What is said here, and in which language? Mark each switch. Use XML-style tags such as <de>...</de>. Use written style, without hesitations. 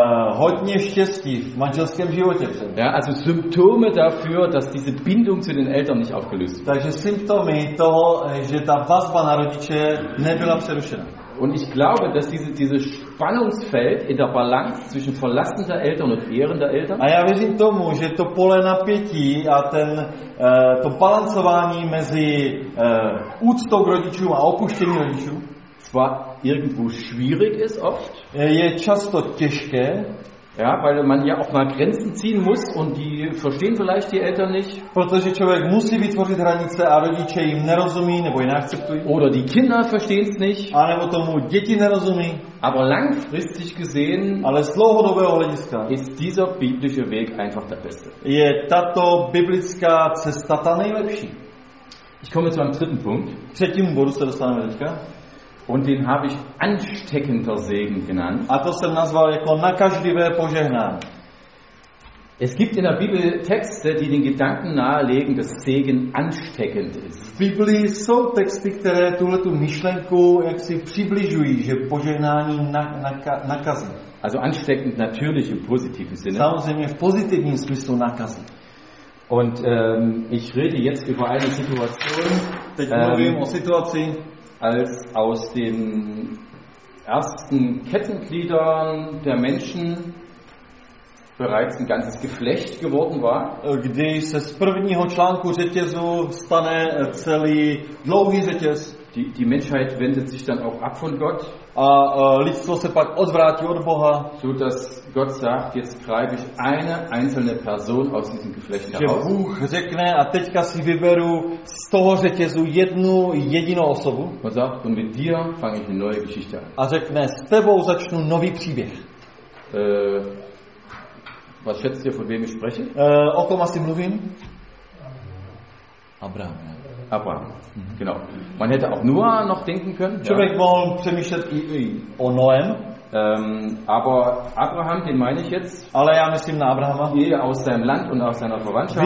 <cs>Hodně štěstí v manželském životě.</cs> <de>Ja, also Symptome dafür, dass diese Bindung zu den Eltern nicht aufgelöst wird.</de> <cs>Takže symptomy toho, že ta vazba na rodiče nebyla přerušena.</cs> <de>Und ich glaube, dass dieses Spannungsfeld in der Balance zwischen Verlassen der Eltern und Ehren der Eltern.</de> <cs>A já věřím tomu, že to pole napětí a to balancování mezi úctou k rodičům a opuštěním rodičů.</cs> <de>Zwar irgendwo schwierig ist oft.</de> <cs>Je často těžké.</cs> <de>Ja, weil man ja auch mal Grenzen ziehen muss und die verstehen vielleicht die Eltern nicht.</de> <cs>Protože člověk musí vytvořit hranice a rodiče jim nerozumí nebo je neakceptují.</cs> <de>Oder die Kinder verstehen es nicht.</de> <cs>A nebo tomu děti nerozumí.</cs> <de>Aber langfristig gesehen,</de> <cs>ale z dlouhodobého hlediska,</cs> <de>ist dieser biblische Weg einfach der beste.</de> <cs>Je tato biblická cesta ta nejlepší.</cs> <de>Ich komme zu einem dritten Punkt.</de> <cs>Třetímu bodu se dostaneme teďka.</cs> <de>Und den habe ich ansteckender Segen genannt.</de> <cs>A to jsem nazval jako nakažlivé požehnání.</cs> <de>Es gibt in der Bibel Texte, die den Gedanken nahelegen, dass Segen ansteckend ist.</de> <cs>V Biblii jsou texty, které tuhle tu myšlenku jaksi přibližují, že požehnání nakazí.</cs> <de>Also ansteckend natürlich im positiven Sinne.</de> <cs>Samozřejmě v pozitivním smyslu nakazí.</cs> <de>Und ich rede jetzt über eine Situation, als aus den ersten Kettengliedern der Menschen bereits ein ganzes Geflecht geworden war.</de> <cs>Když se z prvního článku řetězu stane celý dlouhý řetěz.</cs> <de>Die Menschheit wendet sich dann auch ab von Gott.</de> <cs>Lidstvo se pak odvrátí od Boha.</cs> <de>So dass Gott sagt, jetzt greife ich eine einzelne Person aus diesem Geflecht heraus.</de> <cs>Že Bůh řekne, a teďka si vyberu z toho řetězu jednu jedinou osobu.</cs> <de>Und sagt, und mit dir fange ich eine neue Geschichte an.</de> <cs>A řekne, s tebou začnu nový příběh.</cs> <de>Was schätzt ihr, von wem ich spreche?</de> <cs>O kom asi mluvím?</cs> <de>Abraham. Abraham, genau. Man hätte auch Noah noch denken können.</de> <cs>Člověk mohl přemýšlet i o Noem.</cs> <de>Aber Abraham, den meine ich jetzt.</de> <cs>Ale já myslím na Abrahama.</cs> <de>Je aus seinem Land und aus seiner Verwandtschaft.</de>